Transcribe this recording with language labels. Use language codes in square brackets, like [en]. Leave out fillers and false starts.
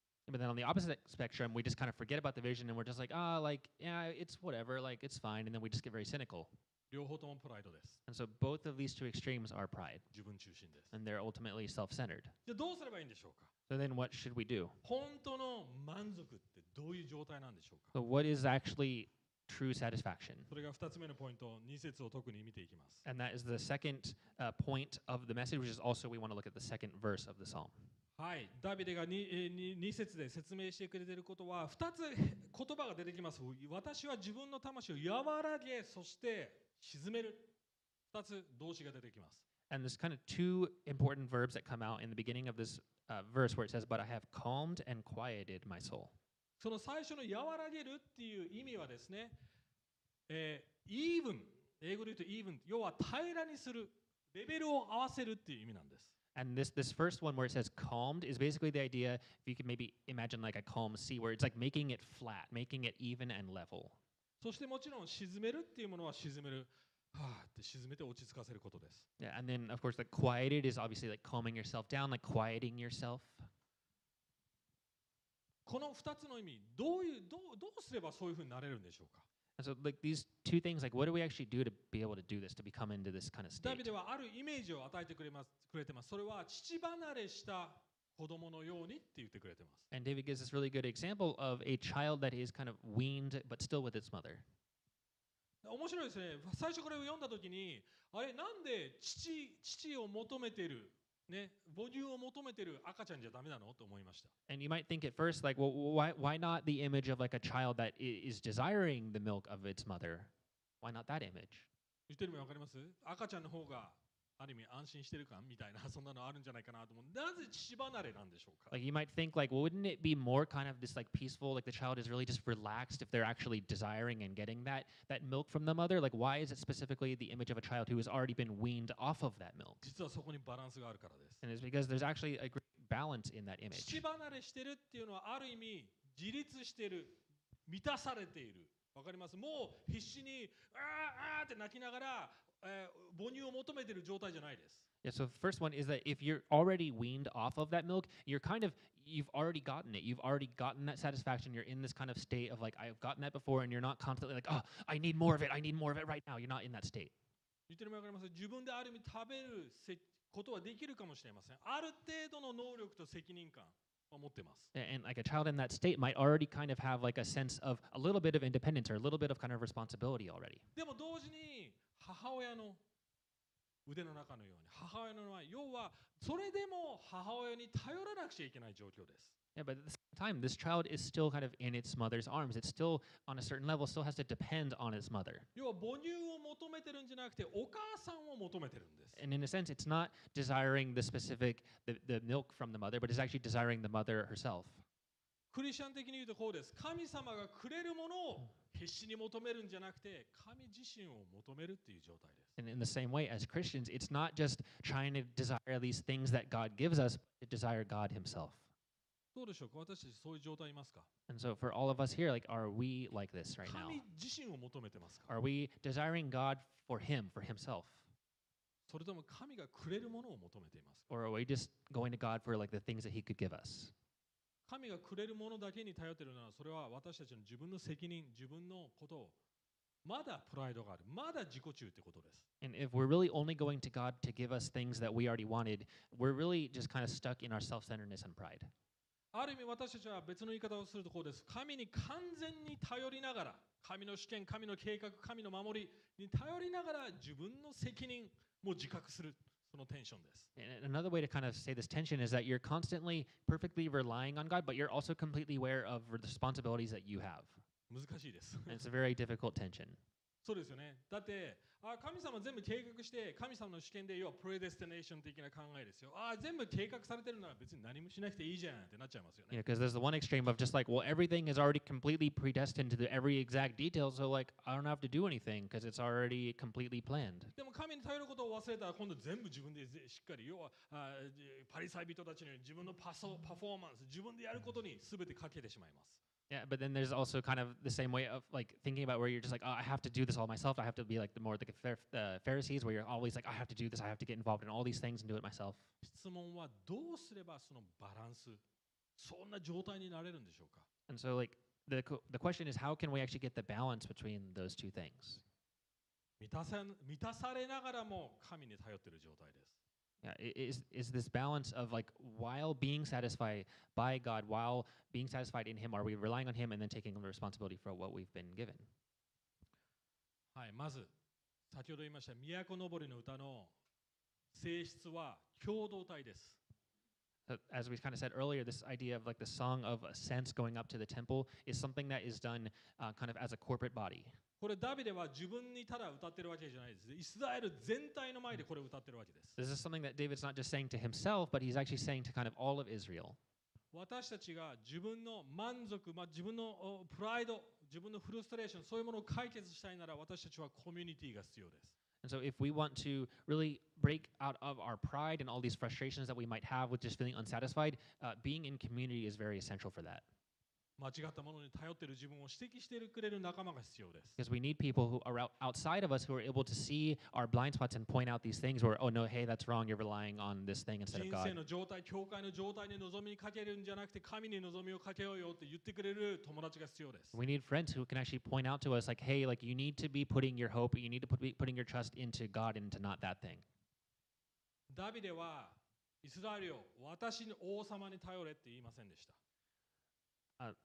[en] But then on the opposite spectrum, we just kind of forget about the vision and we're just like, ah, like, yeah, it's whatever, like, it's fine, and then we just get very cynical. [ja] 両方ともプライドです。 [en] And so both of these two extremes are pride. [ja] 自分中心です。 [en] And they're ultimately self-centered. [ja] じゃあどうすればいいんでしょうか? [en] So then what should we do? [ja] 本当の満足ってどういう状態なんでしょうか? [en] So what is actually true satisfaction? [ja] それが二つ目のポイント、二節を特に見ていきます。 [en] And that is the second point of the message, which is also we want to look at the second verse of the psalm. [ja] はい、ダビデが 2節で説明してくれていることは2つ言葉が出てきます。私は自分の魂を和らげ、そして沈める。 2つ動詞が出てきます。 [en] And there's kind of two important verbs that come out in the beginning of this verse where it says, but I have calmed and quieted my soul. [ja] その最初の和らげるっていう意味はですね、even、 英語で言うと even、 要は平らにする、レベルを合わせるっていう意味なんです。 [en] And this first one where it says calmed is basically the idea, if you could maybe imagine like a calm sea where it's like making it flat, making it even and level. [ja] そしてもちろん沈めるっていうものは沈める、はあ、って沈めて落ち着かせることです。 [en] Yeah, and then of course the quieted is obviously like calming yourself down, like quieting yourself. [ja] この2つの意味、どうすればそういうふうになれるんでしょうか。 [en] And so like these two things, like what do we actually do to be able to do this, to become into this kind of state? [ja] ダビデはあるイメージを与えてくれてます。それは父離れした子供のようにって言ってくれてます。 [en] And David gives this really good example of a child that is kind of weaned but still with its mother. [ja] 面白いですね。最初これを読んだ時に、あれなんで父を求めてる、ね、母乳を求めてる赤ちゃんじゃダメなのと思いました。 [en] And you might think at first, like, well, why not the image of like a child that is desiring the milk of its mother? Why not that image? [ja] 言ってるのわかります？赤ちゃんの方がある意味安心してるかみたいな、そんなのあるんじゃないかなと思う。なぜ父離れなんでしょうか。 [en] Like you might think, like, wouldn't it be more kind of this like peaceful, like the child is really just relaxed if they're actually desiring and getting that milk from the mother? Like, why is it specifically the image of a child who has already been weaned off of that milk? [ja] 実はそこにバランスがあるからです。 [en] And it's because there's actually a great balance in that image. [ja] 父離れしてるっていうのはある意味自立してる、満たされている。わかります。もう必死にあーあーって泣きながら。母乳を求めている状態じゃないです。 [en] Yeah, so first one is that if you're already weaned off of that milk, you're kind of, you've already gotten it. You've already gotten that satisfaction. You're in this kind of state of like, I've gotten that before, and you're not constantly like, oh, I need more of it. I need more of it right now. You're not in that state. [ja] 言ってるのもわかります。自分である意味食べることはできるかもしれません。ある程度の能力と責任感。 [en] And like a child in that state might already kind of have like a sense of a little bit of independence or a little bit of kind of responsibility already. [ja] でも同時に母親の腕の中のように母親の前、要はそれでも母親に頼らなくちゃいけない状況です。 [en] Yeah, but at the same time, this child is still kind of in its mother's arms. It's still on a certain level, still has to depend on its mother. [ja] 要は母乳を求めてるんじゃなくて、お母さんを求めてるんです。 [en] And in a sense, it's not desiring the specific the milk from the mother, but it's actually desiring the mother herself. [ja] クリスチャン的に言うとこうです。神様がくれるものを必死に求めるんじゃなくて、神自身を求めるっていう状態です。 [en] And in the same way, as Christians, it's not just trying to desire these things that God gives us, but to desire God Himself. [ja] どうでしょうか。私たちそういう状態いますか。 [en] And so for all of us here, like, are we like this right now? [ja] 神自身を求めてますか。 [en] Are we desiring God for Him, for Himself? [ja] それとも神がくれるものを求めていますか。 [en] Or are we just going to God for like the things that He could give us? [ja] 神がくれるものだけに頼っているなら、それは私たちの自分の責任、自分のことを。まだプライドがある。まだ自己中ってことです。 [en] And if we're really only going to God to give us things that we already wanted, we're really just kind of stuck in our self-centeredness and pride. [ja] ある意味私たちは別の言い方をするとこうです。神に完全に頼りながら、神の主権、神の計画、神の守りに頼りながら自分の責任も自覚する、そのテンションです。 [en] And another way to kind of say this tension is that you're constantly perfectly relying on God, but you're also completely aware of the responsibilities that you have. [ja] 難しいです。 [en] And it's a very difficult tension. [ja] そうですよね。だって、神様全部計画して、神様の主権で要はプレデスティネーション的な考えですよ。全部計画されてるなら別に何もしなくていいじゃんってなっちゃいますよね。 [en] Yeah, because there's the one extreme of just like, well, everything is already completely predestined to the every exact detail, so like, I don't have to do anything because it's already completely planned. [ja] でも神に頼ることを忘れたら今度全部自分でしっかり、要はパリサイ人たちのように自分のパフォーマンス、自分でやることに全てかけてしまいます。 [en] Yeah, but then there's also kind of the same way of like thinking about where you're just like, oh, I have to do this all myself. I have to be like the more like the Pharisees where you're always like, I have to do this. I have to get involved in all these things and do it myself. [ja] 質問はどうすればそのバランス、そんな状態になれるんでしょうか? [en] And so like the question is, how can we actually get the balance between those two things? [ja] 満たされながらも神に頼ってる状態です。 [en] Yeah, is this balance of like while being satisfied by God, while being satisfied in Him, are we relying on Him and then taking the responsibility for what we've been given? [ja] はい、まず先ほど言いました都のぼりの歌の性質は共同体です。 [en] As we kind of said earlier, this idea of like the song of ascents going up to the temple is something that is done kind of as a corporate body. [ja] これダビデは自分にただ歌ってるわけじゃないです。イスラエル全体の前でこれを歌ってるわけです。 [en] This is something that David's not just saying to himself, but he's actually saying to kind of all of Israel. [ja] 私たちが自分の満足、自分のプライド、自分のフルストレーション、そういうものを解決したいなら、私たちはコミュニティが必要です。 [en] And so if we want to really break out of our pride and all these frustrations that we might have with just feeling unsatisfied, being in community is very essential for that. [ja] 間違ったものに頼っている自分を指摘してくれる仲間が必要です。 [en] Because we need people who are outside of us who are able to see our blind spots and point out these things where, oh no, hey, that's wrong, you're relying on this thing instead of God. [ja] 人生の状態、教会の状態に望みかけるんじゃなくて、神に望みをかけようよって言ってくれる友達が必要です。 [en] We need friends who can actually point out to us like, hey, like you need to be putting your hope, you need to be putting your trust into God and into not that thing. [ja] ダビデはイスラエルを私の王様に頼れって言いませんでした。